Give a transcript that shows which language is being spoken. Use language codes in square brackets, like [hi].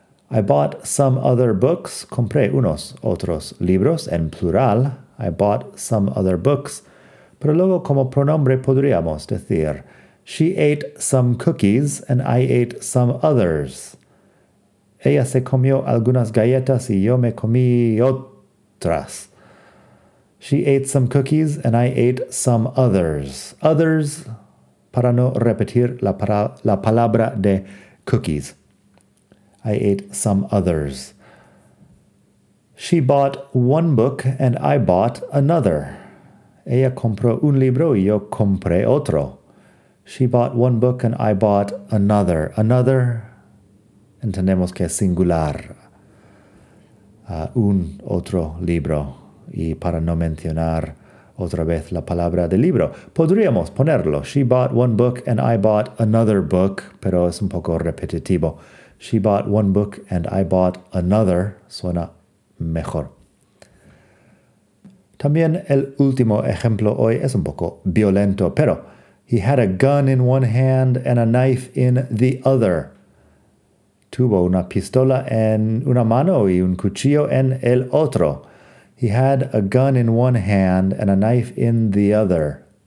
[en] I bought some other books. [es] Compré unos otros libros en plural. [en] I bought some other books. [es] Pero luego como pronombre podríamos decir, [en] she ate some cookies and I ate some others. [es] Ella se comió algunas galletas y yo me comí otras. [en] She ate some cookies and I ate some others. [es] Others, para no repetir la palabra de cookies. [en] I ate some others. She bought one book and I bought another. [es] Ella compró un libro y yo compré otro. [en] She bought one book and I bought another. [es] Another, entendemos que es singular. Un otro libro. Y para no mencionar otra vez la palabra de libro, podríamos ponerlo. [en] She bought one book and I bought another book, [es] pero es un poco repetitivo. [en] She bought one book and I bought another. [es] Suena mejor. También el último ejemplo hoy es un poco violento, pero [en] he had a gun in one hand and a knife in the other. [es] Tuvo una pistola en una mano y un cuchillo en el otro. [en] He had a gun in one hand and a knife in the other.